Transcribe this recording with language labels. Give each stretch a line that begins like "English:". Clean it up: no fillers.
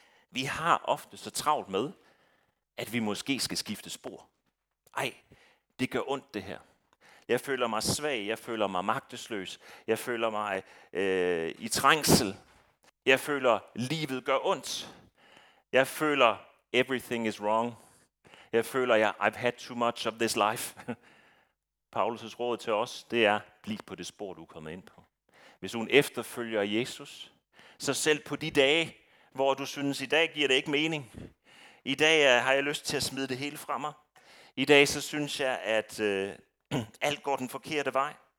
Danish: Vi har ofte så travlt med, at vi måske skal skifte spor. Ej, det gør ondt det her. Jeg føler mig svag, jeg føler mig magtesløs, jeg føler mig i trængsel. Jeg føler, livet gør ondt. Jeg føler,
English: everything is wrong.
Danish: Jeg føler,
English: I've had too much of this life.
Danish: Paulus' råd til os, det er, bliv på det spor, du er kommet ind på. Hvis du en efterfølger Jesus, så selv på de dage, hvor du synes, i dag giver det ikke mening. I dag har jeg lyst til at smide det hele fra mig. I dag så synes jeg, at alt går den forkerte vej.